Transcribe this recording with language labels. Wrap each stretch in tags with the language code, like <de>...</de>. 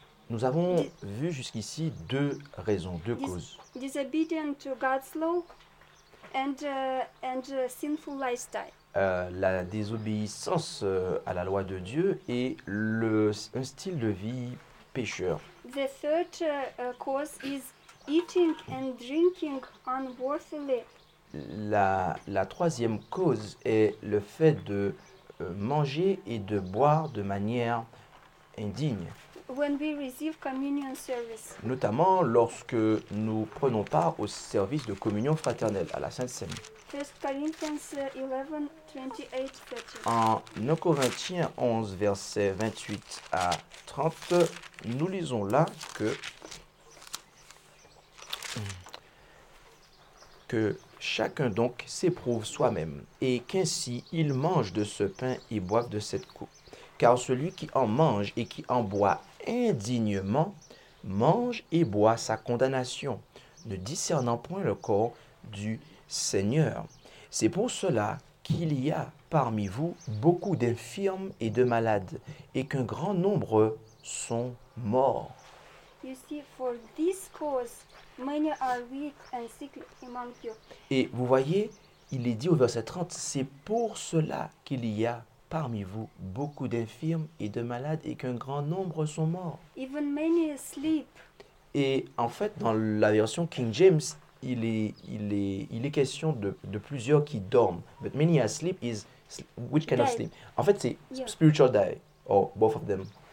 <fr>Nous avons vu jusqu'ici deux raisons, deux causes.</fr> <en>Disobedient to God's law and sinful lifestyle.</en> <fr>La désobéissance à la loi de Dieu et un style de vie pécheur.</fr> <en>The third cause is eating and drinking unworthily.</en> <fr>La troisième cause est le fait de manger et de boire de manière indigne.</fr> <en>When we receive communion service.</en> <fr>Notamment lorsque nous prenons part au service de communion fraternelle à la Sainte Cène. 1 Corinthiens 11:28-30. En 1 Corinthiens 11 versets 28 à 30, nous lisons là que chacun donc s'éprouve soi-même et qu'ainsi il mange de ce pain et boive de cette coupe. Car celui qui en mange et qui en boit indignement mange et boit sa condamnation, ne discernant point le corps du Seigneur. C'est pour cela qu'il y a parmi vous beaucoup d'infirmes et de malades, et qu'un grand nombre sont morts.</fr> <en>You see, for this cause, many are weak and sick among you.</en> <fr>Et vous voyez, il est dit au verset 30, c'est pour cela qu'il y a parmi vous beaucoup d'infirmes et de malades et qu'un grand nombre sont morts.</fr> <en>Even many sleep.</en> <fr>Et en fait, dans la version King James, il est question de plusieurs qui dorment.</fr> <en>But many asleep is which kind dead. Of sleep?</en> <fr>En fait, c'est yeah.</fr> <en>Spiritual die or both of them.</en>